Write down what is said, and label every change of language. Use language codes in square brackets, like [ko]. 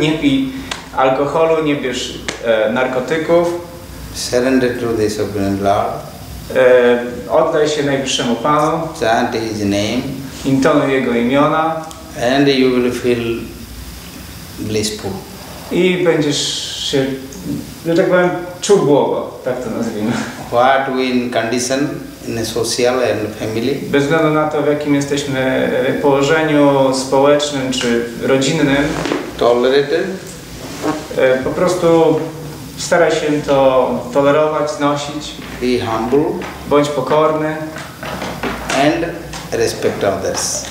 [pl] Nie pij alkoholu, nie bierz narkotyków. [en] Surrender to the Supreme Lord. [pl] Oddaj się najwyższemu Panu. [en] Chant his name. [pl] Intonuj jego imiona. [en] And you will feel blissful. [pl] I będziesz się, że tak powiem, czuł błogo, tak to nazwijmy. [en] What we in condition, in a social and family. [pl] Bez względu na to, w jakim jesteśmy położeniu społecznym czy rodzinnym. [en] Tolerated. [pl] Po prostu staraj się to tolerować, znosić. [en] Be humble. [pl] Bądź pokorny. [en] And respect others.